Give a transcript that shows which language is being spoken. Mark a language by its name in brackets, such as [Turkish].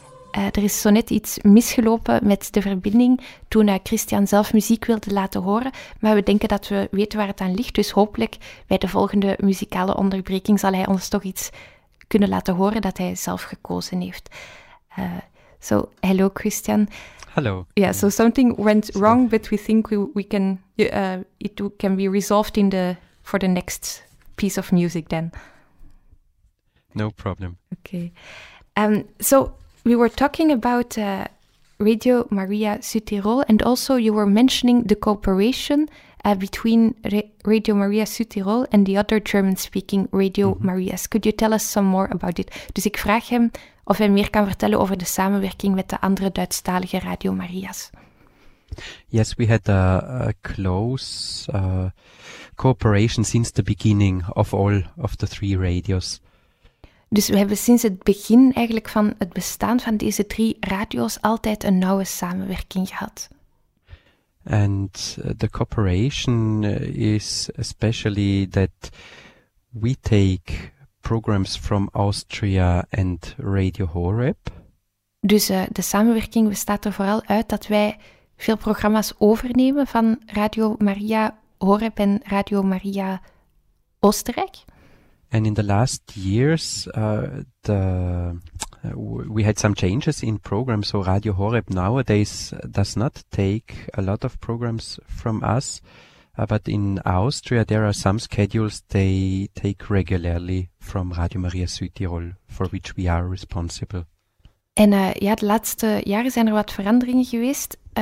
[Dutch] Er is zo net iets misgelopen met de verbinding toen Christian zelf muziek wilde laten horen. Maar we denken dat we weten waar het aan ligt. Dus hopelijk bij de volgende muzikale onderbreking zal hij ons toch iets kunnen laten horen dat hij zelf gekozen heeft. [English] So, hello Christian. Hello. Yeah, so something went wrong, but we think we can it can be resolved in the for the next piece of music then. No problem. Okay. So we were talking about Radio Maria Südtirol, and also you were mentioning the cooperation between Radio Maria Südtirol and the other German-speaking Radio Marias. Could you tell us some more about it? [Dutch] Dus ik vraag hem of hij meer kan vertellen over de samenwerking met de andere Duitsstalige Radio Marias. [English] Yes, we had a close cooperation since the beginning of all of the three radios. [Dutch] Dus we hebben sinds het begin eigenlijk van het bestaan van deze drie radio's altijd een nauwe samenwerking gehad. [English] And the cooperation is especially that we take programs from Austria and Radio Horeb. [Dutch] Dus de samenwerking bestaat er vooral uit dat wij veel programma's overnemen van Radio Maria Horeb en Radio Maria Oostenrijk. [English] And in the last years, we had some changes in programs. So Radio Horeb nowadays does not take a lot of programs from us. But in Austria, there are some schedules they take regularly from Radio Maria Südtirol, for which we are responsible. [Dutch] En de laatste jaren zijn er wat veranderingen geweest.